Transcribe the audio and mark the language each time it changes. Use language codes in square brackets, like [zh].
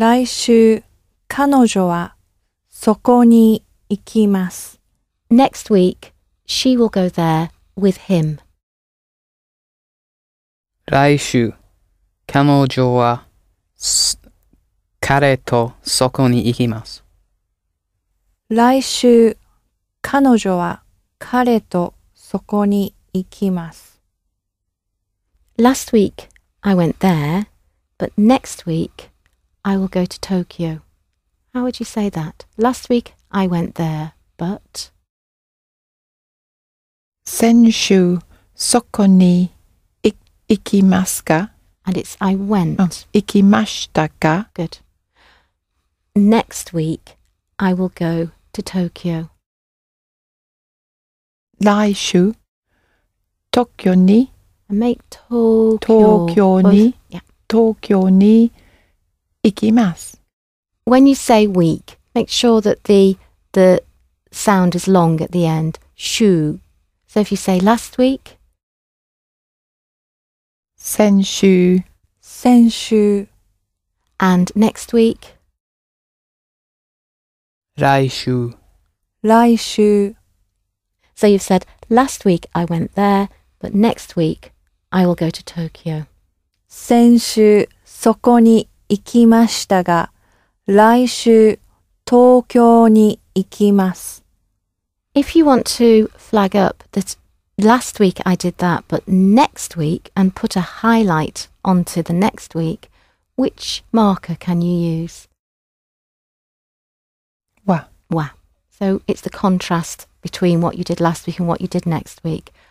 [ja] 来週、彼女はそこに行きます。 [en] Next week, she will go there with him. [ja] 来週、彼女は彼とそこに行きます。来週、彼女は彼とそこに行きます。 [en] Last week, I went there, but next week I will go to Tokyo. How would you say that? Last week I went there, but... [ja] 先週そこに行きますか? [en] And it's I went. [ja] 行きましたか? [en] Good. Next week I will go to Tokyo. [ja] 来週東京に [en] I make 東 [ja] 京に東京に行きます。 [en] When you say week, make sure that the sound is long at the end. 週 So if you say last week, [ja] 先週先週 [en] And next week, [ja] 来週来週 [en] So you've said last week I went there, but next week I will go to Tokyo. [ja] 先週そこに行きましたが、来週東京に行きます。 [en] If you want to flag up that last week I did that, but next week and put a highlight onto the next week, which marker can you use? [ja] Wa. Wa. [en] So it's the contrast between what you did last week and what you did next week.